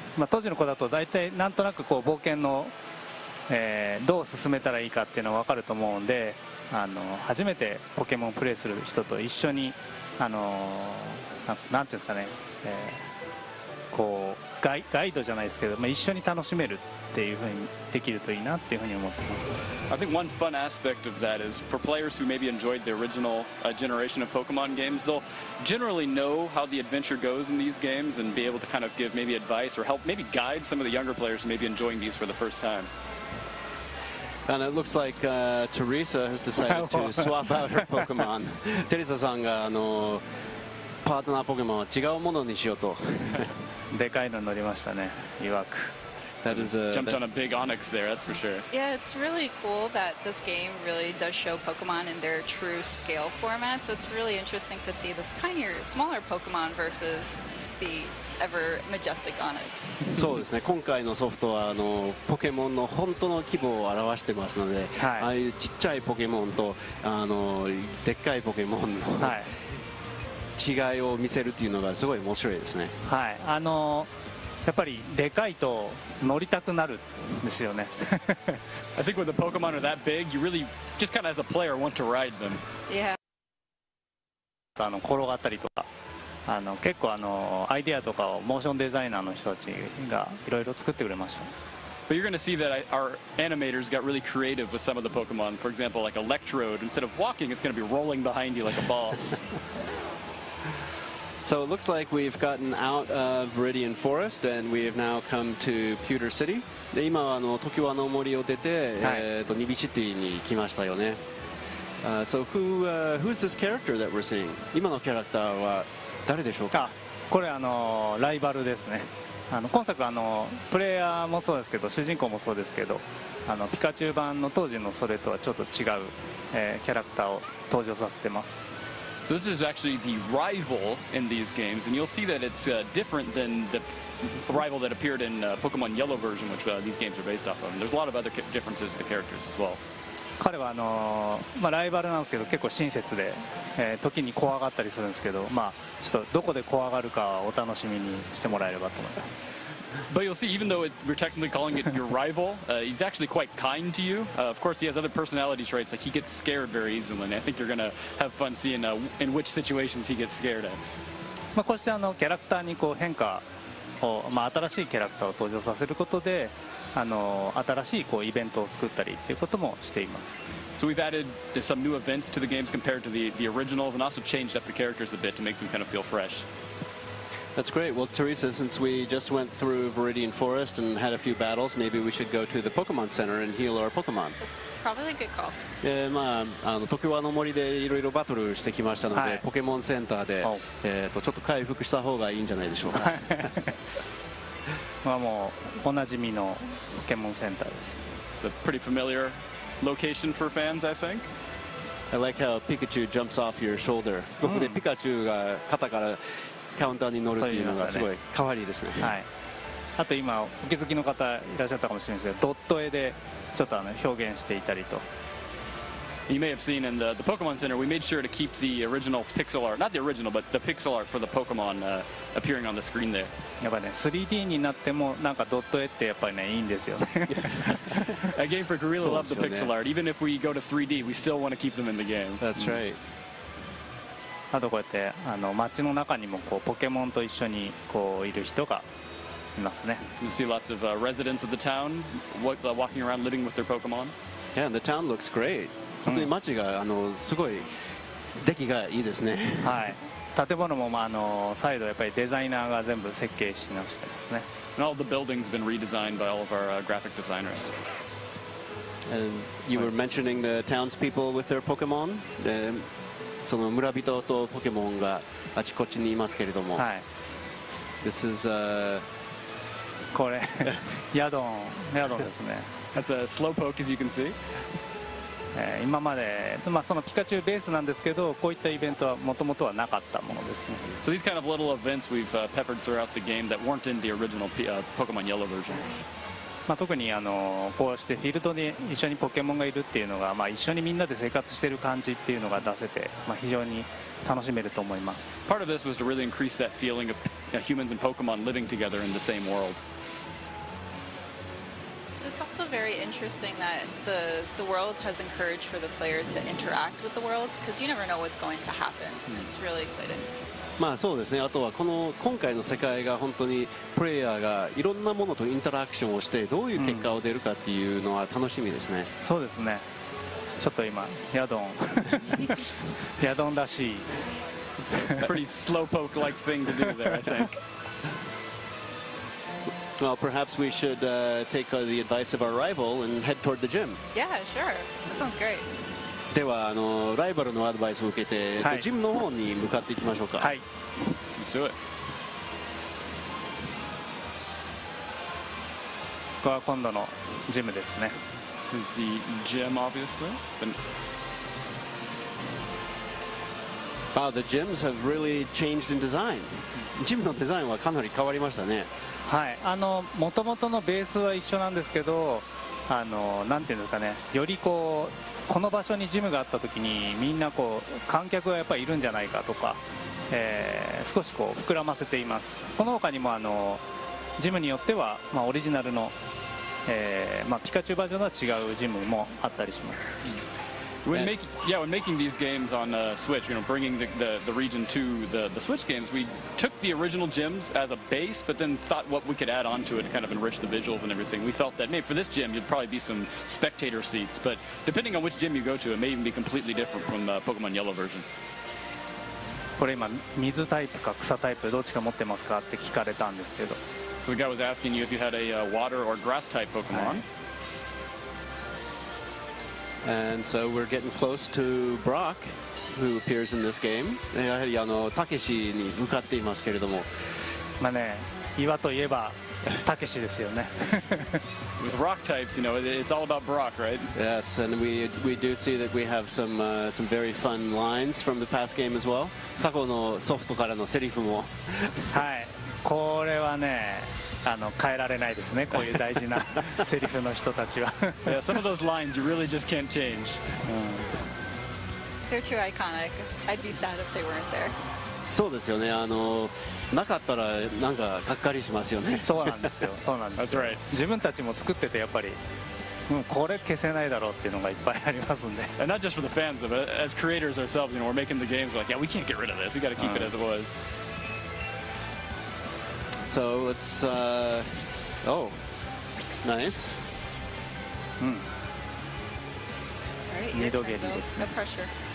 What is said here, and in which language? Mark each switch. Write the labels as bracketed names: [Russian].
[Japanese] 当時の子だと大体なんとなくこう冒険の、どう進めたらいいかっていうのが分かると思うんで、初めてポケモンをプレイする人と一緒に、なんていうんですかね、こうガイドじゃないですけど、一緒に楽しめるっていうふうにできるといいなっていうふうに思ってます。 [English] I think one fun aspect of that is for players who maybe enjoyed the original generation of Pokemon games, they'll generally know how the adventure goes in these games and be able to kind of give maybe advice or help maybe guide some of the younger players who may be enjoying these for the first time. And it looks like Teresa has decided to swap out her Pokemon. [Japanese] テレサさんがパートナーポケモンは違うものにしようとでかいの乗りましたね、いわく。 [English] That is a, jumped that, on a big onyx there, that's for sure. Yeah, it's really cool that this game really does show Pokemon in their true scale format. So it's really interesting to see this tinier, smaller Pokemon versus the ever majestic onyx. [Japanese] そうですね、今回のソフトはあのポケモンの本当の規模を表してますので、はい、ああいうちっちゃいポケモンとあのでっかいポケモンの違いを見せるっていうのがすごい面白いですね。はい、あのやっぱりでかいと乗りたくなるんですよね。 [English] I think when the Pokemon are that big, you really just kind of as a player want to ride them. Yeah. [Japanese] あの転がったりとか、あの結構あのアイデアとかをモーションデザイナーの人たちがいろいろ作ってくれました。 [English] But you're going to see that our animators got really creative with some of the Pokemon. For example, like Electrode, instead of walking, it's going to be rolling behind you like a ball. So it looks like we've gotten out of Viridian Forest and we have now come to Pewter City. [Japanese] で今あの時はの森を出て、はい、ニビシティに来ましたよね。 [English] So who's this character that we're seeing? [Japanese] 今のキャラクターは誰でしょうか？あ、これあのライバルですね。あの今作あのプレイヤーもそうですけど主人公もそうですけど、あのピカチュウ版の当時のそれとはちょっと違う、キャラクターを登場させてます。 [English] So this is actually the rival in these games, and you'll see that it's different than the rival that appeared in Pokemon Yellow version, which these games are based off of. And there's a lot of other differences in the characters as well. [Japanese] 彼はあの、まあ、ライバルなんですけど結構親切で、時に怖がったりするんですけど、まあ、ちょっとどこで怖がるかお楽しみにしてもらえればと思います。 [English] But you'll see, even though we're technically calling it your rival, he's actually quite kind to you. Of course, he has other personality traits, like he gets scared very easily. And I think you're going to have fun seeing in which situations he gets scared at. [Japanese] まあ、こうしてあのキャラクターにこう変化を、まあ、新しいキャラクターを登場させることで、あの新しいこうイベントを作ったりということもしています。 [English] So we've added some new events to the games compared to the originals, and also changed up the characters a bit to make them kind of feel fresh. That's great. Well, Teresa, since we just went through Viridian Forest and had a few battles, maybe we should go to the Pokemon Center and heal our Pokemon. That's probably a good call. [Japanese] Yeah, まあ、あの、トキワの森でいろいろバトルしてきましたので、はい、ポケモンセンターで、oh. ちょっと回復した方がいいんじゃないでしょうか。まあ、もう、おなじみのポケモンセンターです。 [English] It's a pretty familiar location for fans, I think. I like how Pikachu jumps off your shoulder. [Japanese] ここでピカチュウが肩からカウンターに乗るっていうのがすごい可愛いですね。はい。あと今お気づきの方いらっしゃったかもしれないですけど、ドット絵でちょっとあの表現していたりと。 [English] You may have seen in the Pokemon Center, we made sure to keep the original pixel art, not the original, but the pixel art for the Pokemon appearing on the screen there. [Japanese] やっぱりね、3D になってもなんかドット絵ってやっぱりねいいんですよ。 [English] A game freak really love the pixel art. Even if we go to 3D, we still want to keep them in the game. That's right. [Japanese] あとこうやってあの街の中にもこうポケモンと一緒にこういる人がいますね。 [English] You see lots of residents of the town walking around living with their Pokemon. Yeah, and the town looks great. [Japanese] 本当に街があのすごい出来がいいですね。はい。建物もまああの再度やっぱりデザイナーが全部設計し直してますね。 [English] And all the buildings been redesigned by all of our graphic designers. And you were mentioning the townspeople with their Pokemon. [Japanese] その村人とポケモンがあちこちにいますけれども、はい、 [English] This is a... [Japanese] これヤドン、ヤドンですね。 [English] That's a slow poke, as you can see. [Japanese] 今まで、まあ、そのピカチュウベースなんですけど、こういったイベントはもともとはなかったものですね。 [English] So these kind of little events we've peppered throughout the game that weren't in the original Pokemon Yellow version. [Japanese] まあ、特にあのこうしてフィールドに一緒にポケモンがいるっていうのが、まあ、一緒にみんなで生活してる感じっていうのが出せて、まあ、非常に楽しめると思います。 [English] Part of this was to really increase that feeling of humans and Pokemon living together in the same world. It's also very interesting that the world has encouraged for the player to interact with the world because you never know what's going to happen. It's really exciting. [Japanese] まあそうですね、あとはこの今回の世界が本当にプレイヤーがいろんなものとインタラクションをしてどういう結果を出るかっていうのは楽しみですね、うん、そうですね、ちょっと今ヤドンヤドンらしい [English] pretty slow poke like thing to do there, I think Well, perhaps we should take the advice of our rival and head toward the gym Yeah, sure, that sounds great [Japanese] ではあのライバルのアドバイスを受けて、はい、ジムの方に向かっていきましょうか。はい、ここは今度のジムですね。 [English] This is the gym, obviously. Wow, the gyms have really changed in design. [Japanese] ジムのデザインはかなり変わりましたね。はい、あの元々のベースは一緒なんですけど、あのなんていうんですかね、よりこうこの場所にジムがあったときにみんなこう観客がやっぱりいるんじゃないかとか、少しこう膨らませています。この他にもあのジムによっては、まあ、オリジナルの、まあ、ピカチュウバージョンとは違うジムもあったりします。 [English] When making, yeah, when making these games on Switch, you know, bringing the region to the Switch games, we took the original gyms as a base, but then thought what we could add onto it to kind of enrich the visuals and everything. We felt that, maybe for this gym, you'd probably be some spectator seats, but depending on which gym you go to, it may even be completely different from the Pokemon Yellow version. [Japanese] これ今水タイプか草タイプどっちか持ってますかって聞かれたんですけど。 [English] So the guy was asking you if you had a water or grass type Pokemon. Hey. And so we're getting close to Brock, who appears in this game. [Japanese] やはりあのたけしに向かっていますけれども。まあね、岩といえばたけしですよね。 [English] With rock types, you know, it's all about Brock, right? Yes, and we do see that we have some very fun lines from the past game as well. [Japanese] 過去のソフトからのセリフも。はい、これはね。あの変えられないですね、こういう大事なセリフの人たちは。 [English] Yeah, some of those lines you really just can't change. They're too iconic. I'd be sad if they weren't there. [Japanese] そうですよね、あのなかったらなんかかっかりしますよね。そうなんですよ、そうなんですよ。 [English] That's right. [Japanese] 自分たちも作っててやっぱり、うん、これ消せないだろうっていうのがいっぱいありますんで。 [English] And not just for the fans, but as creators ourselves, you know, we're making the games like, yeah, we can't get rid of this. We got to keep it as it was. So let's, oh, nice. Mm. All right, you're trying to build the pressure.